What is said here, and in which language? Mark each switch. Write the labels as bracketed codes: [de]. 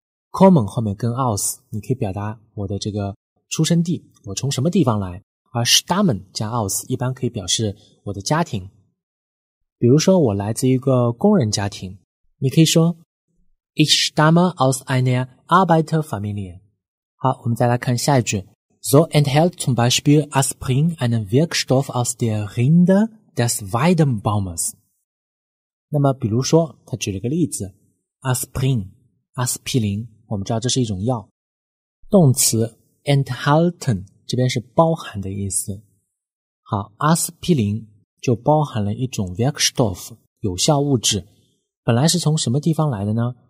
[zh] kommen 后面跟 aus， 你可以表达我的这个出生地，我从什么地方来，而 stammen 加 aus 一般可以表示我的家庭。比如说我来自一个工人家庭，你可以说 [de] Ich stamme aus einer Arbeiterfamilie。 [zh] 好，我们再来看下一句， [de] So enthält zum Beispiel Aspirin einen Wirkstoff aus der Rinde des Weidenbaumes。 [zh] 那么比如说他举了个例子， Aspirin， 阿司匹林，我们知道这是一种药。动词enthalten 这边是包含的意思。好，阿司匹林就包含了一种 Wirkstoff 有效物质，本来是从什么地方来的呢？